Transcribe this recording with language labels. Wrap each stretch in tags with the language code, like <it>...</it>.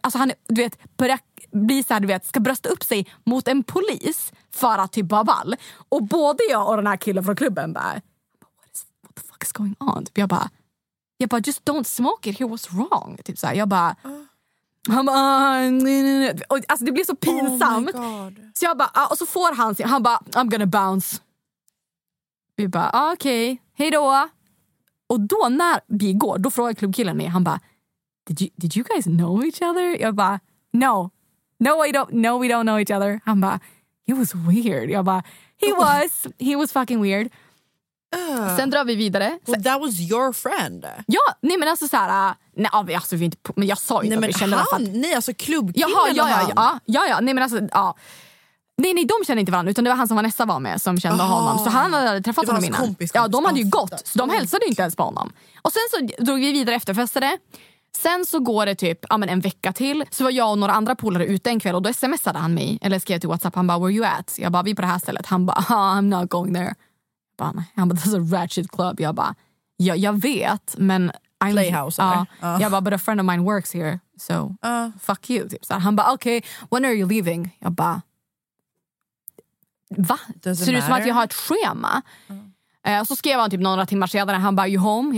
<sv>Alltså han, du vet, börjar bli så här, du vet, ska brösta upp sig mot en polis för att typ bara vall. Och både jag och den här killen från klubben bara,</sv> <en>what the fuck is going on?</en> <sv>Typ jag bara, jag bara,</sv> <en>just don't smoke it here, what's wrong?</en> <sv>Typ såhär, jag bara... Han bara, nej. Och, alltså det blir så pinsamt. Oh, så jag bara, och så får han sig. Han bara,</sv> <en>I'm gonna bounce.</en> <sv>Vi bara, okej, hej då. Och då när vi går, då frågar klubbkillen mig. Han bara,</sv> <en>did you guys know each other?</en> <sv>Jag bara,</sv> <en>no, we don't know each other.</en> <sv>Han bara,</sv> <en>he was weird.</en> <sv>Jag bara,</sv> <en>he was fucking weird.</en> <sv>Sen drar vi vidare.</sv> <en>Well, that was your friend.</en> <sv>Ja, nej men alltså så här, nej alltså vi inte, men jag sa ju nej, då, men vi känner att nej alltså klubbkillen. Ja, nej men alltså ja. Nej, de kände inte varandra utan det var han som Vanessa var med som kände honom. Så han hade träffat honom innan. Kompis. Ja, de hade ju gått. Så de hälsade inte ens på honom. Och sen så drog vi vidare efter festade. Sen så går det typ, ja men en vecka till. Så var jag och några andra polare ute en kväll och då smsade han mig eller skrev till WhatsApp, han bara,</sv> <en>where you at?</en> <sv>Jag bara, vi är på det här stället. Han bara,</sv> <en>I'm not going there. Han bara, that's a ratchet club.</en> <sv>Jag bara, ja, jag vet, men</sv> <en>I'm, Playhouse.</en> <sv>Jag bara,</sv> <en>but a friend of mine works here, so fuck you.</en> <sv>Så han bara,</sv> <en>okay, when are you leaving?</en> <sv>Jag bara, va? Ser ut som att jag har ett schema? Så skrev han typ några timmar senare, han bara,</sv> <en>you home?</en>